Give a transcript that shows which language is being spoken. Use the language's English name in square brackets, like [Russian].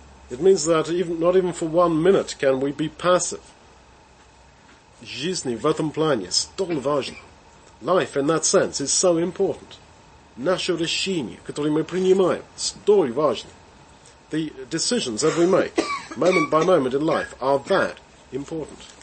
[English] It means that not even for 1 minute can we be passive. [Russian] Жизнь в этом плане столь важна. [English] Life in that sense is so important. [Russian] Наше решение, которое мы принимаем, столь важно. [English] The decisions that we make, moment by moment in life, are that important.